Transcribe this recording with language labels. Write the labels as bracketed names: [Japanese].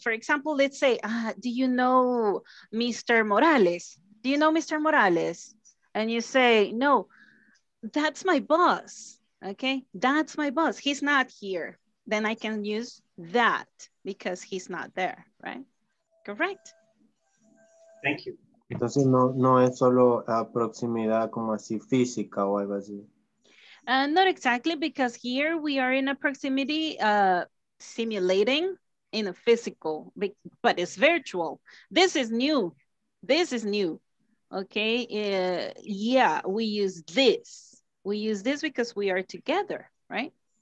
[English] For example, let's say, do you know Mr. Morales? Do you know Mr. Morales? And you say, no, that's my boss. Okay, that's my boss. He's not here. Then I can use that because he's not there, right? Correct? Thank you. [Spanish] Entonces no es solo a proximidad como así física o algo así. [English] Not exactly, because here we are in a proximity simulating in a physical, but it's virtual. This is new. Okay. We use this. We use this because we are together, right?